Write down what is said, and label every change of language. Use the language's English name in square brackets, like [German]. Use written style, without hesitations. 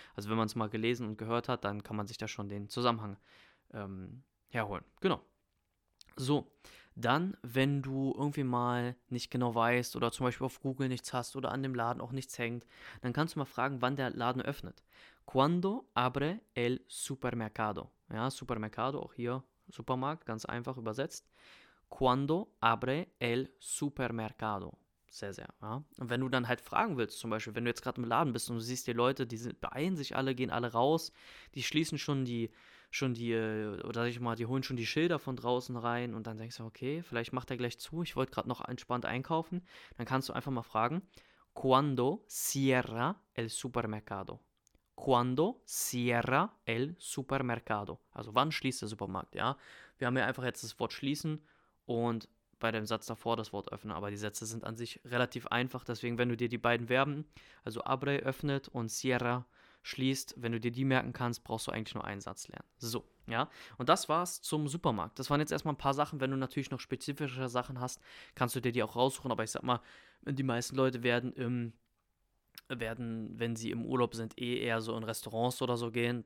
[German] Also wenn man es mal gelesen und gehört hat, dann kann man sich da schon den Zusammenhang herholen. Genau. So, dann, wenn du irgendwie mal nicht genau weißt oder zum Beispiel auf Google nichts hast oder an dem Laden auch nichts hängt, dann kannst du mal fragen, wann der Laden öffnet. [Spanish] ¿Cuándo abre el supermercado? [German] Ja, Supermercado, auch hier Supermarkt, ganz einfach übersetzt. [Spanish] ¿Cuándo abre el supermercado? [German] Sehr, sehr. Ja. Und wenn du dann halt fragen willst, zum Beispiel, wenn du jetzt gerade im Laden bist und du siehst die Leute, die sind, beeilen sich alle, gehen alle raus, die schließen holen schon die Schilder von draußen rein und dann denkst du, okay, vielleicht macht er gleich zu, ich wollte gerade noch entspannt einkaufen, dann kannst du einfach mal fragen, [Spanish] ¿Cuándo cierra el supermercado? ¿Cuándo cierra el supermercado? [German] Also, wann schließt der Supermarkt, ja? Wir haben ja einfach jetzt das Wort schließen und bei dem Satz davor das Wort öffnen, aber die Sätze sind an sich relativ einfach, deswegen, wenn du dir die beiden Verben, also abre öffnet und cierra schließt, wenn du dir die merken kannst, brauchst du eigentlich nur einen Satz lernen. So, ja, und das war's zum Supermarkt. Das waren jetzt erstmal ein paar Sachen, wenn du natürlich noch spezifische Sachen hast, kannst du dir die auch raussuchen, aber ich sag mal, die meisten Leute werden, wenn sie im Urlaub sind, eher so in Restaurants oder so gehen.